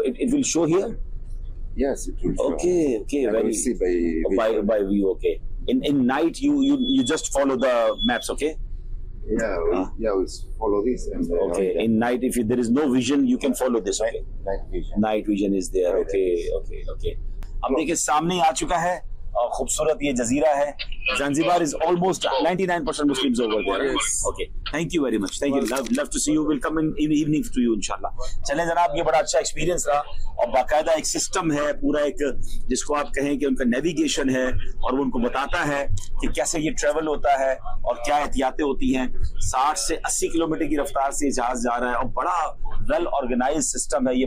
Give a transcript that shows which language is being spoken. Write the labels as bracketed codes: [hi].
[en] It will show here. Yes, it will show. Okay. Okay. And we see by view. Okay. In night, you just follow the maps. Okay. We follow this. And In night, if there is no vision, you can follow this. Okay. Night vision is there. Right. Okay. [hi] Now, देखिए सामने आ चुका है और खूबसूरत ये Jazeera है. [en] Zanzibar is almost 99% Muslims over there. Yes. Okay. Thank you very much. Thank you. Love to see you. We'll come in evening to you, inshallah. [hi] चलें जनाब, ये बड़ा अच्छा एक्सपीरियंस रहा और बाकायदा एक सिस्टम है पूरा, एक जिसको आप कहें कि उनका नेविगेशन है और वो उनको बताता है कि कैसे ये ट्रेवल होता है और क्या एहतियातें होती हैं. 60 से 80 किलोमीटर की रफ्तार से जहाज जा रहा है और बड़ा [en] well organise system [hi] है ये.